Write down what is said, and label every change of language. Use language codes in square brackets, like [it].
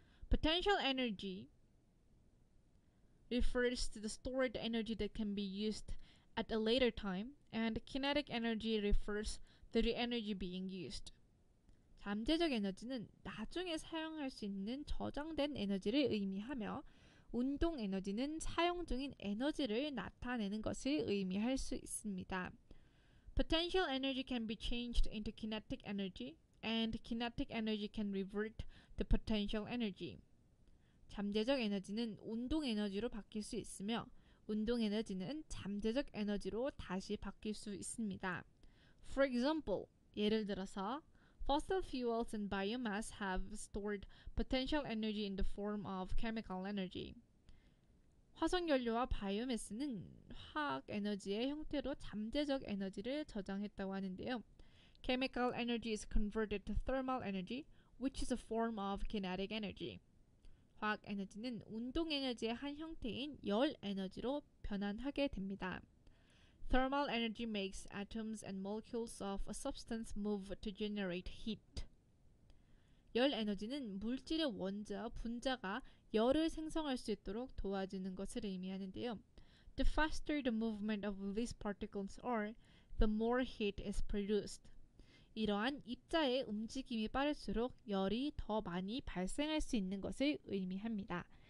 [en] Potential energy refers to the stored energy that can be used at a later time, and kinetic energy refers to the energy being used. [ko] 잠재적 에너지는 나중에 사용할 수 있는 저장된 에너지를 의미하며 운동 에너지는 사용 중인 에너지를 나타내는 것을 의미할 수 있습니다. [en] Potential energy can be changed into kinetic energy, and kinetic energy can revert to potential energy. [ko] 잠재적 에너지는 운동 에너지로 바뀔 수 있으며 운동 에너지는 잠재적 에너지로 다시 바뀔 수 있습니다. [en] For example, [ko] 예를 들어서 [en] Fossil fuels and biomass have stored potential energy in the form of chemical energy. [ko] 화석 연료와 바이오매스는 화학 에너지의 형태로 잠재적 에너지를 저장했다고 하는데요. [en] Chemical energy is converted to thermal energy, which is a form of kinetic energy. [ko] 화학 에너지는 운동 에너지의 한 형태인 열 에너지로 변환하게 됩니다. [en] Thermal energy makes atoms and molecules of a substance move to generate heat. [ko] 열 에너지는 물질의 원자, 분자가 열을 생성할 수 있도록 도와주는 것을 의미하는데요. [en] The faster the movement of these particles are, the more heat is produced. [ko] 이러한 입자의 움직임이 빠를수록 열이 더 많이 발생할 수 있는 것을 의미합니다.